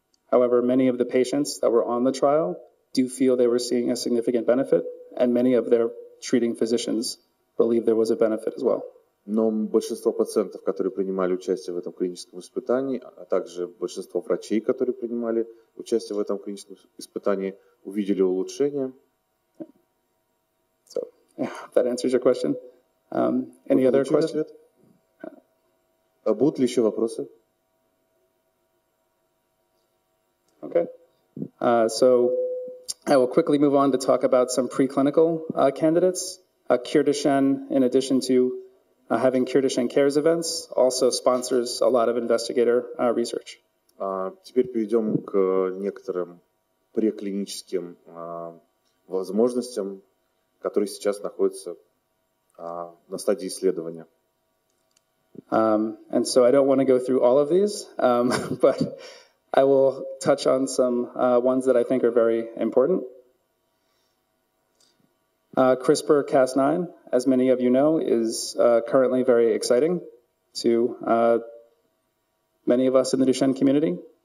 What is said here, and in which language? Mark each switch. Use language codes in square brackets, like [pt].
[en] However, many of the patients that were on the trial do feel they were seeing a significant benefit, and many of their treating physicians believe there was a benefit as well. [ru] Но большинство пациентов, которые принимали участие в этом клиническом испытании, а также большинство врачей, которые принимали участие в этом клиническом испытании, увидели улучшение. [en] So, yeah, that answers your question. Any other questions? [ru] Будут ли еще вопросы? [en] Okay. So, I will quickly move on to talk about some preclinical candidates. Cure Duchenne, in addition to having Cure Duchenne Cares events, also sponsors a lot of investigator research. [ru] Теперь перейдем к некоторым преклиническим возможностям, которые сейчас находятся на стадии исследования. [en] And so I don't want to go through all of these, but I will touch on some ones that I think are very important. CRISPR-Cas9, as many of you know, is currently very exciting to many of us in the Duchenne community.